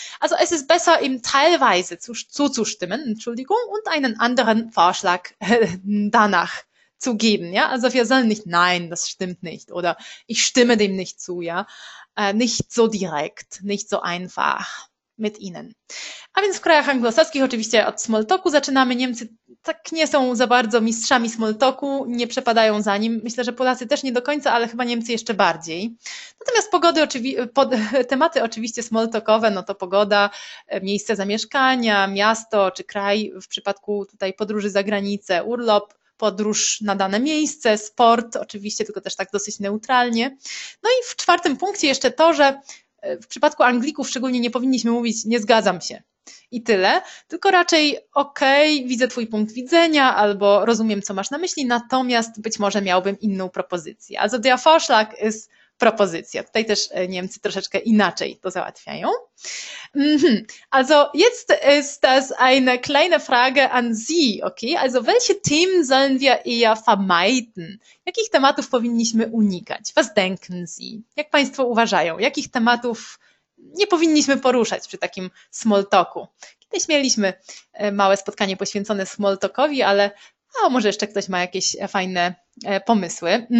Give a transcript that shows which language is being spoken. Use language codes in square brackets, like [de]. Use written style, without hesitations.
[de] Also es ist besser, eben teilweise zuzustimmen, Entschuldigung, und einen anderen Vorschlag danach zu geben, ja, also wir sollen nicht, nein, das stimmt nicht, oder ich stimme dem nicht zu, ja, nicht so direkt, nicht so einfach mit ihnen. [pl] A więc w krajach anglosaskich oczywiście od Smalltalku zaczynamy. Niemcy tak nie są za bardzo mistrzami Smalltalku, nie przepadają za nim. Myślę, że Polacy też nie do końca, ale chyba Niemcy jeszcze bardziej. Natomiast pogody, tematy oczywiście Smalltalkowe, no to pogoda, miejsce zamieszkania, miasto czy kraj w przypadku tutaj podróży za granicę, urlop, podróż na dane miejsce, sport, oczywiście, tylko też tak dosyć neutralnie. No i w czwartym punkcie jeszcze to, że w przypadku Anglików szczególnie nie powinniśmy mówić nie zgadzam się i tyle, tylko raczej okej, widzę twój punkt widzenia albo rozumiem, co masz na myśli, natomiast być może miałbym inną propozycję. [de] Also der Vorschlag ist Propozycja. [pl] Tutaj też Niemcy troszeczkę inaczej to załatwiają. [de] Also jetzt ist das eine kleine Frage an Sie, okay? Also welche Themen sollen wir eher vermeiden? [pl] Jakich tematów powinniśmy unikać? [de] Was denken Sie? [pl] Jak Państwo uważają? Jakich tematów nie powinniśmy poruszać przy takim Smalltalku? Kiedyś mieliśmy małe spotkanie poświęcone Smalltalkowi, ale a może jeszcze ktoś ma jakieś fajne pomysły?